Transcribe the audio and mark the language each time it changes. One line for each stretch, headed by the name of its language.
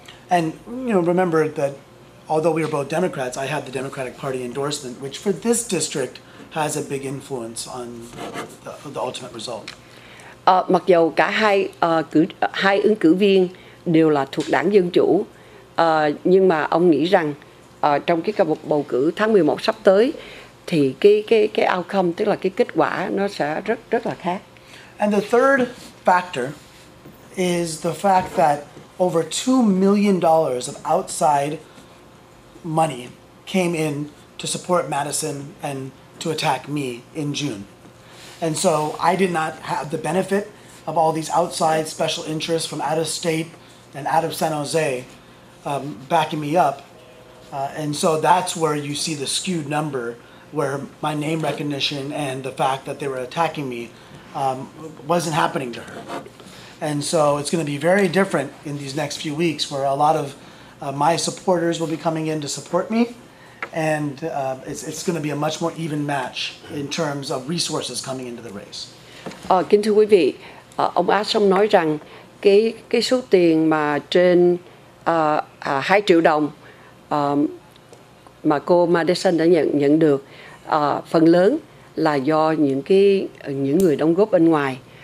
English: And you know, remember that although we are both Democrats, I have the Democratic Party endorsement, which for this district has a big influence on the ultimate result.
Vietnamese: Mặc dù cả hai ứng cử viên đều là thuộc đảng Dân Chủ, nhưng mà ông nghĩ rằng trong cái bầu cử tháng 11 sắp tới thì cái outcome, tức là cái kết quả, nó sẽ rất rất là khác.
English: And the third factor is the fact that over $2 million of outside money came in to support Madison and to attack me in June. And so I did not have the benefit of all these outside special interests from out of state and out of San Jose backing me up. And so that's where you see the skewed number, where my name recognition and the fact that they were attacking me wasn't happening to her. And so it's going to be very different in these next few weeks, where a lot of my supporters will be coming in to support me, and it's going to be a much more even match in terms of resources coming into the race.
Vietnamese: Kính thưa quý vị, ông Ashong nói rằng cái số tiền mà trên 2 triệu đồng mà cô Madison đã nhận được, phần lớn là do những người đóng góp bên ngoài.